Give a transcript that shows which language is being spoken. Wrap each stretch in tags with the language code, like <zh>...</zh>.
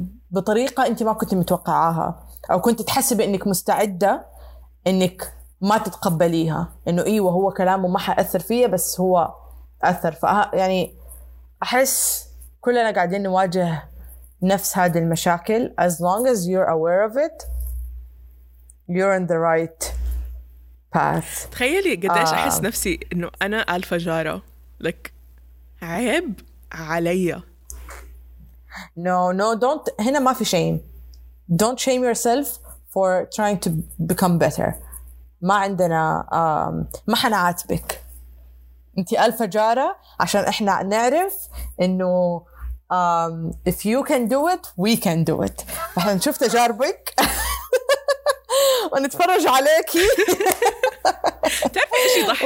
<ar>بطريقة أنت ما كنت متوقعاها أو كنت تحسب أنك مستعدة أنك ما تتقبليها أنه إيه وهو كلامه ما حأثر فيه بس هو أثر يعني أحس كلنا قاعدين نواجه نفس هذه المشاكل</ar> <en>as long as you're aware of it you're in the right path</en> <ar>تخيلي قديش أحس نفسي أنه أنا ألفا جارة like عيب عليا</ar> <en>No, don't.</en> <ar>هنا ما في شيم.</ar> <en>Don't shame yourself for trying to become better.</en> <ar>ما عندنا ما حنعاتبك. أنت ألف جارة عشان إحنا نعرف إنه</ar> <en>if you can do it, we can do it.</en> <ar>فحنا نشوف تجاربك ونتفرج عليك. تعرف إيش يضحك؟</ar>